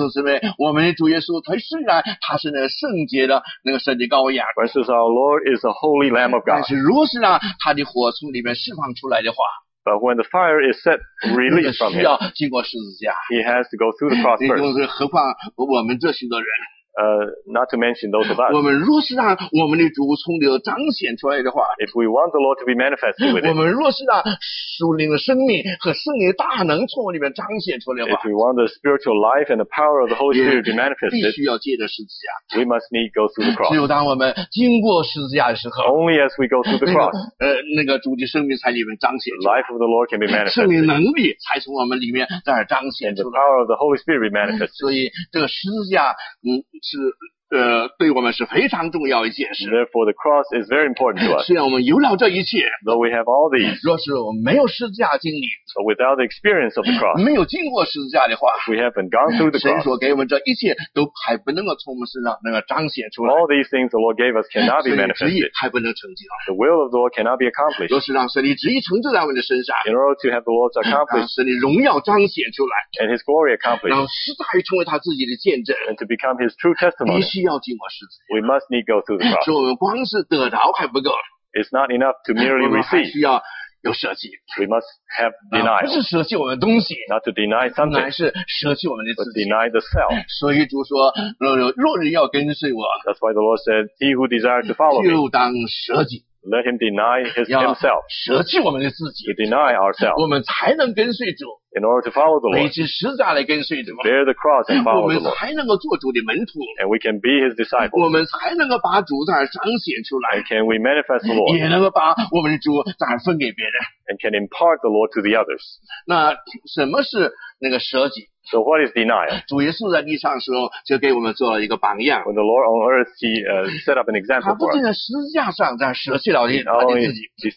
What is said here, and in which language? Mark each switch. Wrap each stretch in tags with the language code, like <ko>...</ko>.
<zh>弟兄姊妹，我们的主耶稣，他虽然他是那个圣洁的那个圣洁羔羊。</zh> <en>But since our Lord is a holy lamb of God.</en> <zh>但是如是呢他的火从里面释放出来的话</zh> <en>But when the fire is set released from him,</en> <zh>需要经过十字架</zh> <en>He has to go through the cross first</en> <zh>就是何况我们这许多人</zh> <en>not to mention those of us</en> <zh>我们若是让我们的主从里头彰显出来的话</zh> <en>If we want the Lord to be manifested with him</en> <zh>我们若是让属灵的生命和圣灵的大能从里面彰显出来的话</zh> <en>If we want the spiritual life and the power of the Holy Spirit to be manifested</en> <zh>必须要借着十字架</zh> <en>We must need go through the cross</en> <zh>只有当我们经过十字架的时候</zh> <en>Only as we go through the cross</en> <zh>那个主的生命才里面彰显出来</zh> <en>Life of the Lord can be manifested</en> <zh>圣灵能力才从我们里面在彰显出来</zh> <en>And the power of the Holy Spirit be manifested</en> <zh>所以这个十字架是对我们是非常重要一件事。</zh> <en>Therefore, the cross is very important to us.</en> <zh>虽然我们有了这一切</zh> <en>，though we have all these，</en> <zh>若是我们没有十字架经历</zh> <en>，but without the experience of the cross，</en> <zh>没有经过十字架的话</zh> <en>，we haven't gone through the cross，</en> <zh>神所给我们这一切都还不能够从我们身上那个彰显出来。</zh> <en>All these things the Lord gave us cannot be manifested.</en> <zh>神的旨意还不能成就。</zh> <en>The will of the Lord cannot be accomplished.</en> <zh>若是让神的旨意成就在我们的身上</zh> <en>，in order to have the Lord's accomplished，</en> <zh>让神的荣耀彰显出来</zh> <en>，and His glory accomplished，</en> <zh>让实在成为他自己的见证</zh> <en>，and to become His true testimony。 We must need go through the cross.</en> <zh>说我们光是得着还不够。</zh> <en>It's not enough to merely receive.</en> <zh>我们还需要有舍弃。</zh> <en>We must have denial.</en> <zh>不是舍弃我们的东西。</zh> <en>Not to deny something.</en> <zh>乃是舍弃我们的自己。</zh> <en>But deny the self.</en> <zh>所以主说，若人要跟随我。</zh> <en>That's why the Lord said, he who desires to follow me.</en> <zh>就当舍己。</zh> <en>Let him deny himself.</en> <zh>要舍弃我们的自己。</zh> <en>To deny ourselves.</en> <zh>我们才能跟随主。</zh> <en>In order to follow the Lord,</en> <zh>背起十字架来跟随主。</zh> <en>Bear the cross and follow the Lord.</en> <zh>我们才能够做主的门徒。</zh> <en>And we can be His disciples.</en> <zh>我们才能够把主在那彰显出来。</zh> <en>And can we manifest the Lord?</en> <zh>也能够把我们的主在那分给别人。</zh> <en>And can impart the Lord to the others.</en> <zh>那什么是那个舍己？</zh> <en>So what is denial?</en> <zh>主耶稣在地上的时候就给我们做了一个榜样。</zh> <en>When the Lord on earth, He set up an example for us.</en> <zh>他不仅在十字架上在那舍弃了他自己。</zh>